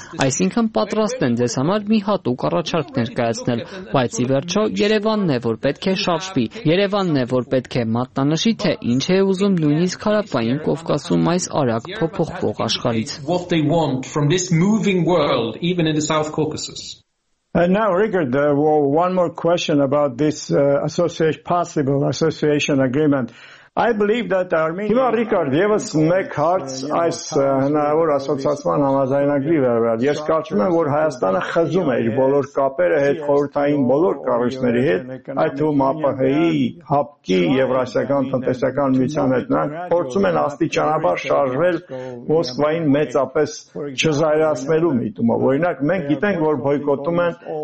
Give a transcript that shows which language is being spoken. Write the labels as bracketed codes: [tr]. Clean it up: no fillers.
[hy] այսինքն պատրաստ են ձեզ համար մի հատուկ առաջարկ ներկայացնել, բայց ի վերջո Երևանն է, որ պետք է շարժվի, Երևանն է, որ պետք է մատնանշի, թե ինչ է ուզում նույնիսկ Հարավային Կովկասում այս արագ փոփոխվող աշխարհից։ [en] And now, Richard, one more question about this possible association agreement. I believe that Armenia. [hy] Հիմա Ռիկարդ, եւս մեկ հարց այս հնարավոր ասոցիացիան համազայնագրի վերաբերյալ։ Ես կարծում եմ, որ Հայաստանը խզում է իր բոլոր կապերը հետ խորհրդային բոլոր կառույցների հետ, այդ թվում ԱՊՀ-ի, ՀԱՊԿ-ի, Եվրասիական տնտեսական միության հետ։ Նրանք փորձում են աստիճանաբար շարժվել Մոսկվային մեծապես չզայրացնելու միտումը։ Օրինակ, մենք գիտենք, որ բոյկոտում են